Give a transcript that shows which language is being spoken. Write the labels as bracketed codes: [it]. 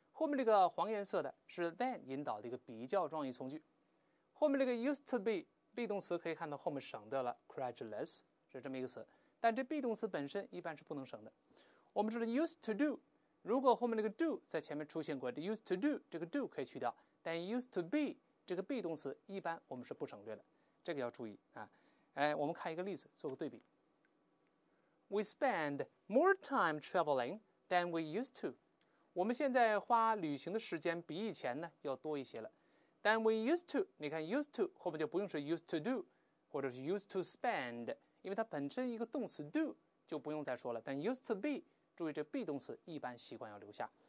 [zh] 后面这个黄颜色的是 than 引导的一个比较状语从句，后面这个 [en] used to be [zh] 动词可以看到后面省掉了 credulous 是这么一个词，但这 动词本身一般是不能省的。我们知道 [en] used to do， [zh] 如果后面这个 do 在前面出现过的 used to do 这个 do 可以去掉，但 [en] used to be [zh] 这个 动词一般我们是不省略的，这个要注意啊。哎，我们看一个例子做个对比。 [en] We spend more time traveling than we used to. [zh] 我们现在花旅行的时间比以前呢要多一些了。 [en] Than we used to, [zh] 你看 used to 后面就不用是 [en] used to do, [zh] 或者是 [en] used to spend, [zh] 因为它本身一个动词 do 就不用再说了。但 [en] used to be, [zh] 注意这 be 动词一般习惯要留下。